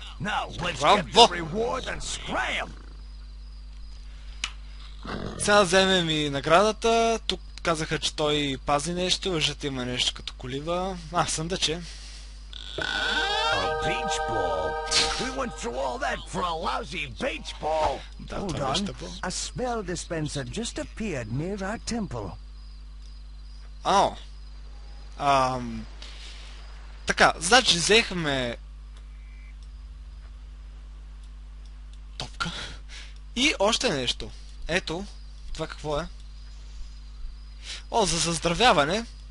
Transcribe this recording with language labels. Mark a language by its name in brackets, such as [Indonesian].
[Bulgarian] Браво! Сега вземем и наградата. Тук казаха, че той пази нещо, въжът има нещо като колива. А, съндъче. [English] Beach ball. We went through all that for a lousy beach ball. Hold on. A spell dispenser just appeared near our temple. Oh. [Bulgarian] Така, значи взехме топка. И още нещо. Ето, това какво е? О, за заздравяване.